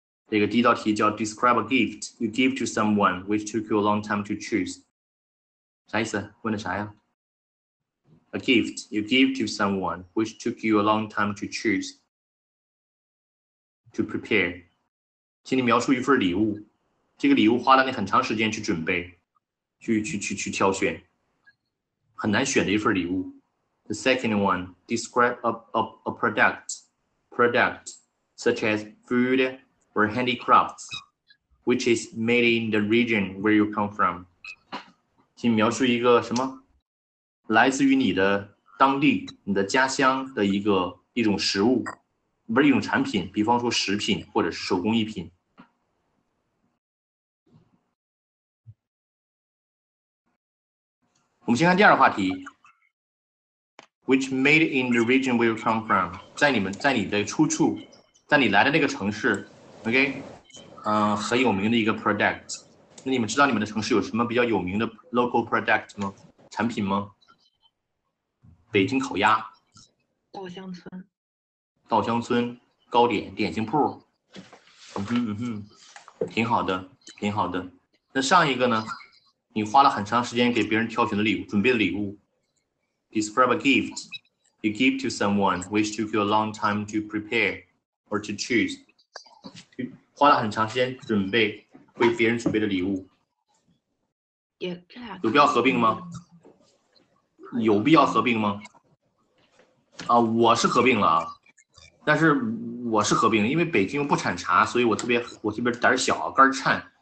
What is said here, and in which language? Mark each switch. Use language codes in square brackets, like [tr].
[zh] 这个第一道题叫 [en] Describe a gift you give to someone which took you a long time to choose. [zh] 啥意思？问的啥呀？ [en] A gift you give to someone which took you a long time to choose. To prepare. [zh] 请你描述一份礼物。这个礼物花了你很长时间去准备，去挑选。很难选的一份礼物。 [en] The second one, describe a product such as food or handicrafts, which is made in the region where you come from. [zh] 请描述一个什么来自于你的当地、你的家乡的一种食物，不是一种产品，比方说食品或者是手工艺品。我们先看第二个话题 ， [en] which made in the region where you come from， [zh] 在你的出处，在你来的那个城市， OK， 很有名的一个 product。那你们知道你们的城市有什么比较有名的 local product 吗？产品吗？北京烤鸭。稻香村。稻香村糕点点心铺。嗯哼嗯哼，挺好的，挺好的。那上一个呢？你花了很长时间给别人挑选的礼物，准备的礼物。 [en] Describe a gift you give to someone which took you a long time to prepare or to choose。 [zh] 花了很长时间准备为别人准备的礼物。有必要合并吗？有必要合并吗？啊，我是合并了，但是我是合并，因为北京不产茶，所以我特别胆小，肝颤。